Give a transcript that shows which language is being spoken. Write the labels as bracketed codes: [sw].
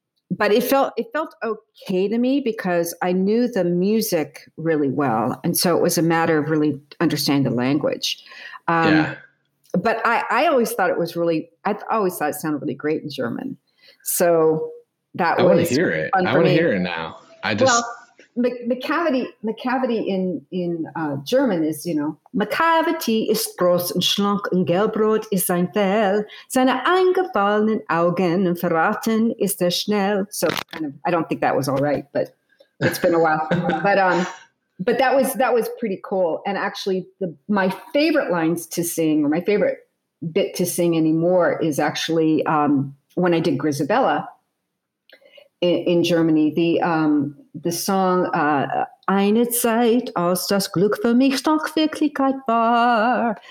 [en] But it felt okay to me because I knew the music really well. And so it was a matter of really understanding the language. But I always thought it was really, I always thought it sounded really great in German. So that I was I want to hear it. I want to hear it now. I just, McCavity in German is, you know, [de] McCavity ist groß und schlank und gelbrot ist sein Fell. Seine eingefallenen Augen und verraten ist er schnell. [en] So kind of, I don't think that was all right, but it's been a while. But that was pretty cool. And actually my favorite lines to sing, or my favorite bit to sing anymore, is actually when I did Grisabella in Germany, the song [de] Eine Zeit, als das Glück für mich doch Wirklichkeit war.